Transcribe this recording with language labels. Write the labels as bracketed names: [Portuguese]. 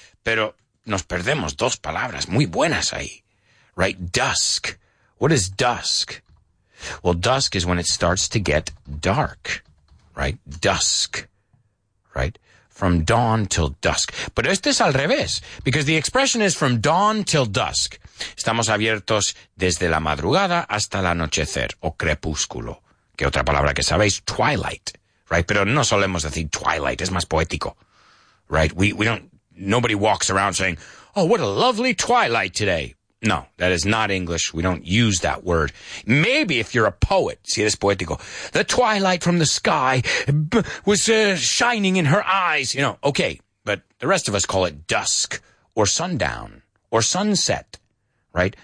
[Spanish] Pero nos perdemos dos palabras muy buenas ahí. [English] Right? Dusk. What is dusk? Well, dusk is when it starts to get dark. Right? Dusk. Right? From dawn till dusk. Pero este es al revés. Because the expression is from dawn till dusk. [Spanish] Estamos abiertos desde la madrugada hasta el anochecer o crepúsculo. Que otra palabra que sabéis, twilight, right? Pero no solemos decir twilight, es más poético, right? [English] Nobody walks around saying, oh, what a lovely twilight today. No, that is not English. We don't use that word. Maybe if you're a poet, si eres poético, the twilight from the sky was shining in her eyes, you know, okay. But the rest of us call it dusk or sundown or sunset, right?